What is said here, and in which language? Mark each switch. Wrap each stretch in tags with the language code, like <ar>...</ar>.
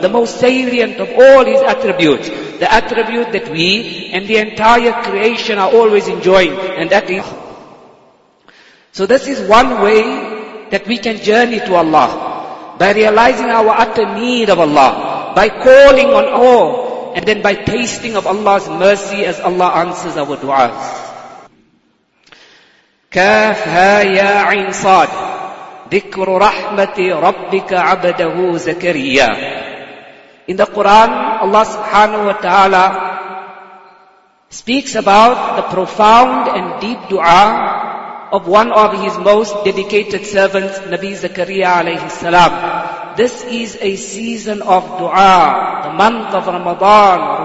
<en>The most salient of all His attributes. The attribute that we and the entire creation are always enjoying. And that is... So this is one way that we can journey to Allah. By realizing our utter need of Allah. By calling on all. And then by tasting of Allah's mercy as Allah answers our du'as.</en> <ar>كاف ها يا عين صاد ذكر رحمة ربك عبده زكريا.</ar> <en>In the Quran, Allah subhanahu wa ta'ala speaks about the profound and deep dua of one of His most dedicated servants, Nabi Zakariya alayhi salam. This is a season of dua, the month of Ramadan.</en>